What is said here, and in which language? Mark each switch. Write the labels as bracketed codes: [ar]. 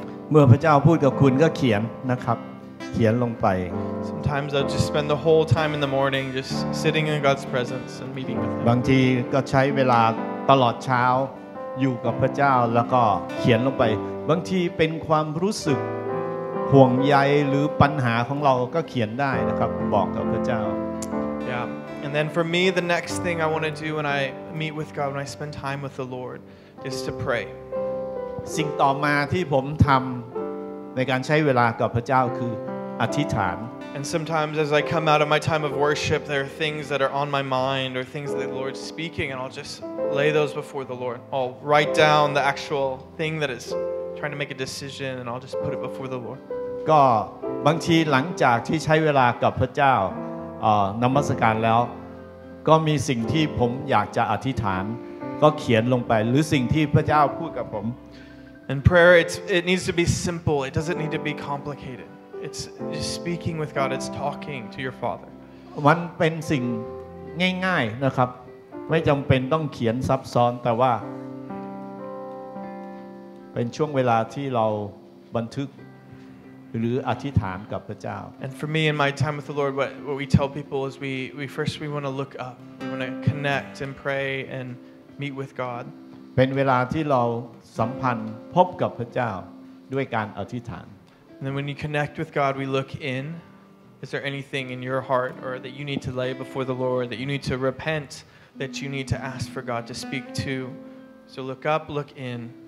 [th] เมื่อพระเจ้าพูดกับคุณก็เขียนนะครับเขียนลงไป [en] Sometimes I'll just spend the whole time in the morning just sitting in God's presence and meeting with Him. [th] บางทีก็ใช้เวลาตลอดเช้าอยู่กับพระเจ้าแล้วก็เขียนลงไปบางทีเป็นความรู้สึกห่วงใยหรือปัญหาของเราก็เขียนได้นะครับบอกกับพระเจ้า [en] And then for me, the next thing I want to do when I meet with God, when I spend time with the Lord, is to pray. [th] สิ่งต่อมาที่ผมทำ ในการใช้เวลากับพระเจ้าคืออธิษฐาน [en] And sometimes as I come out of my time of worship there are things that are on my mind or things that the Lord's speaking and I'll just lay those before the Lord I'll write down the actual thing that is trying to make a decision and I'll just put it before the Lord [th] ก็บางทีหลังจากที่ใช้เวลากับพระเจ้านมัสการแล้วก็มีสิ่งที่ผมอยากจะอธิษฐานก็เขียนลงไปหรือสิ่งที่พระเจ้าพูดกับผม [en] And prayer it needs to be simple it doesn't need to be complicated it's just speaking with God it's talking to your father [th] มันเป็นสิ่งง่ายๆนะครับไม่จําเป็นต้องเขียนซับซ้อนแต่ว่าเป็นช่วงเวลาที่เราบันทึกหรืออธิษฐานกับพระเจ้า [en] And for me in my time with the Lord what we tell people is we first want to look up we want to connect and pray and meet with God [th] เป็นเวลาที่เราสัมพันธ์พบกับพระเจ้าด้วยการอธิษฐาน [en] And then when you connect with God we look in is there anything in your heart or that you need to lay before the Lord that you need to repent that you need to ask for God to speak to so look up look in